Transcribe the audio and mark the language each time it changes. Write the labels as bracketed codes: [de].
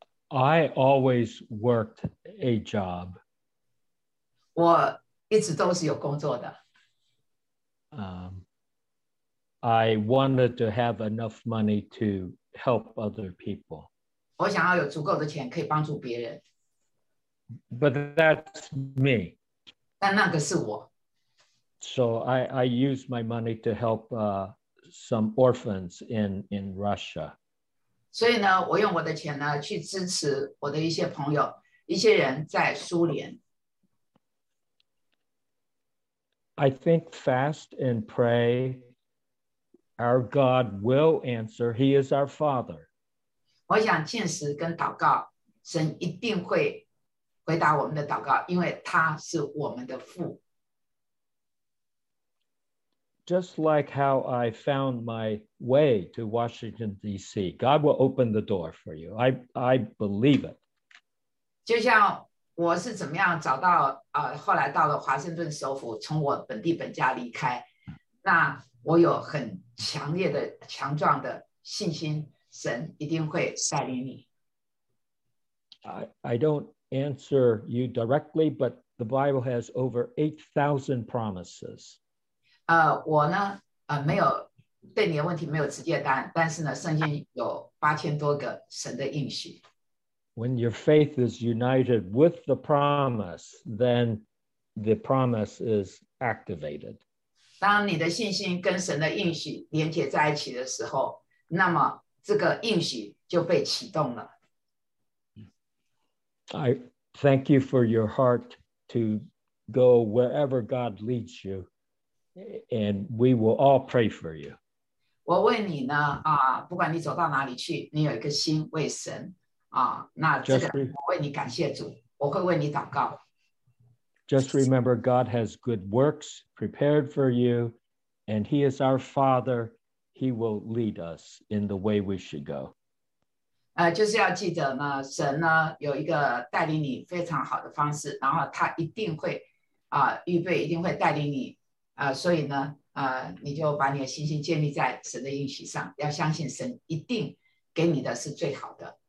[en] I always worked a job. [zh] 我一直都是有工作的。 [en] I wanted to have enough money to help other people. [zh] 我想要有足够的钱可以帮助别人。 [en] But that's me. [zh] 但那个是我。 [en] So I use my money to help some orphans in Russia. [zh] 所以呢，我用我的钱呢去支持我的一些朋友，一些人在苏联。 [en] I think fast and pray, our God will answer. He is our Father. [zh] 我想禁食跟祷告，神一定会回答我们的祷告，因为他是我们的父。 [en] Just like how I found my way to Washington, D.C. God will open the door for you. I believe it. [zh] 就像我是怎么样找到后来到了华盛顿首府，从我本地本家离开，那我有很强烈的强壮的信心，神一定会带领你。 [en] I don't answer you directly, but the Bible has over 8,000 promises. [zh] 我呢没有对你的问题没有直接答案，但是呢圣经有8000多个神的应许。 [en] When your faith is united with the promise, then the promise is activated. [zh] 当你的信心跟神的应许连接在一起的时候，那么这个应许就被启动了。 [en] I thank you for your heart to go wherever God leads you, and we will all pray for you. [zh] 我为你呢，不管你走到哪里去，你有一个心为神。那这个 [en] just [zh] 我为你感谢主，我会为你祷告。 [en] Just remember, God has good works prepared for you, and He is our Father. He will lead us in the way we should go. [zh] 就是要记得呢，神呢有一个带领你非常好的方式，然后他一定会预备，一定会带领你所以呢你就把你的信心建立在神的应许上，要相信神一定给你的是最好的。